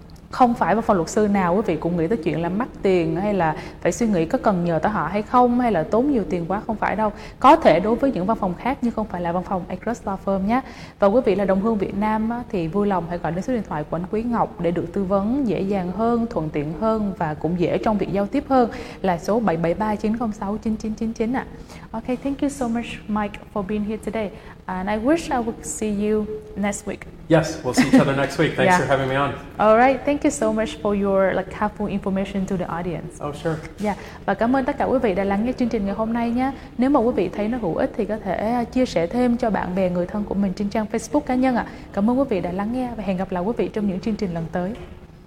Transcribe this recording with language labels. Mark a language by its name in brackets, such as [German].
[Vietnamese] Không phải văn phòng luật sư nào quý vị cũng nghĩ tới chuyện là mắc tiền hay là phải suy nghĩ có cần nhờ tới họ hay không hay là tốn nhiều tiền quá, không phải đâu. Có thể đối với những văn phòng khác nhưng không phải là văn phòng Acres Law Firm nhé. Và quý vị là đồng hương Việt Nam thì vui lòng hãy gọi đến số điện thoại của anh Quý Ngọc để được tư vấn dễ dàng hơn, thuận tiện hơn và cũng dễ trong việc giao tiếp hơn, là số 773-906-9999 ạ. [English] Ok, thank you so much Mike for being here today. And I wish I would see you next week. Yes, we'll see each other next week. Thanks for having me on. All right, thank you so much for your like helpful information to the audience. Oh, sure. [Vietnamese] Yeah, và cảm ơn tất cả quý vị đã lắng nghe chương trình ngày hôm nay nhé. Nếu mà quý vị thấy nó hữu ích thì có thể chia sẻ thêm cho bạn bè, người thân của mình trên trang Facebook cá nhân ạ. Cảm ơn quý vị đã lắng nghe và hẹn gặp lại quý vị trong những chương trình lần tới.